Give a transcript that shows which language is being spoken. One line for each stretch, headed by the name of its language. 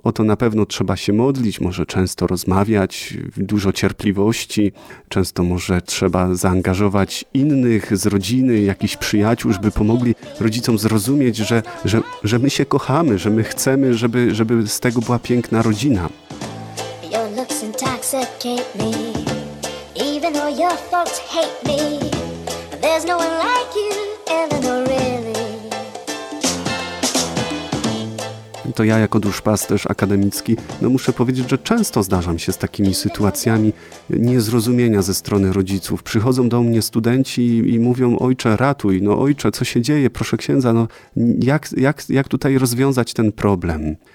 Polish: O to na pewno trzeba się modlić, może często rozmawiać, dużo cierpliwości. Często może trzeba zaangażować innych z rodziny, jakichś przyjaciół, żeby pomogli rodzicom zrozumieć, że my się kochamy, że my chcemy, żeby z tego była piękna rodzina.
English: Your looks intoxicate me. Even though your folks hate me, there's no one like you, Eleanor, really.
Polish: To ja jako duszpasterz akademicki, no muszę powiedzieć, że często zdarzam się z takimi sytuacjami niezrozumienia ze strony rodziców. Przychodzą do mnie studenci i mówią, ojcze, ratuj, no ojcze, co się dzieje, proszę księdza, no jak tutaj rozwiązać ten problem?